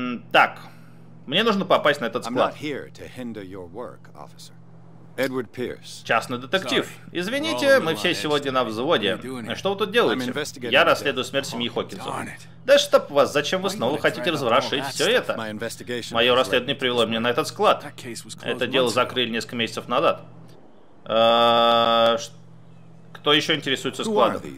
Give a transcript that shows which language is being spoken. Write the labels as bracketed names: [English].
[Russian] Так, мне нужно попасть на этот склад. [English] I'm not here to hinder your work, officer. Edward Pierce. [Russian] Частный детектив. [English] Sorry. [Russian] Извините, мы все сегодня на взводе. Что вы тут делаете? Я расследую смерть семьи Хокинса. Да чтоб вас, зачем вы снова хотите разворошить все это? Мое расследование привело меня на этот склад. Это дело закрыли несколько месяцев назад. Кто еще интересуется складом?